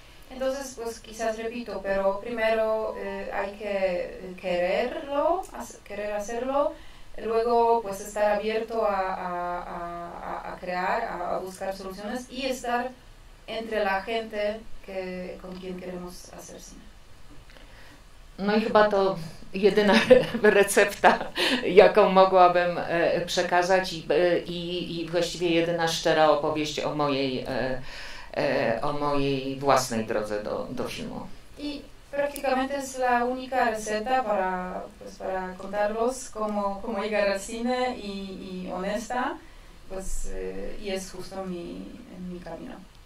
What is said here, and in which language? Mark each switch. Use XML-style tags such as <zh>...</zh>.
<es>Entonces, pues quizás repito, pero primero hay que querer hacerlo, luego pues estar abierto a crear, a buscar soluciones y estar entre la gente con quien queremos hacer cine.</es> <pl>No i chyba to jedyna recepta, jaką mogłabym przekazać i właściwie jedyna szczera opowieść o mojej własnej drodze do filmu. I praktycznie jest</pl> <es>la única receta para contarlos cómo llegar al cine y honesta, pues y es justo mi camino.</es>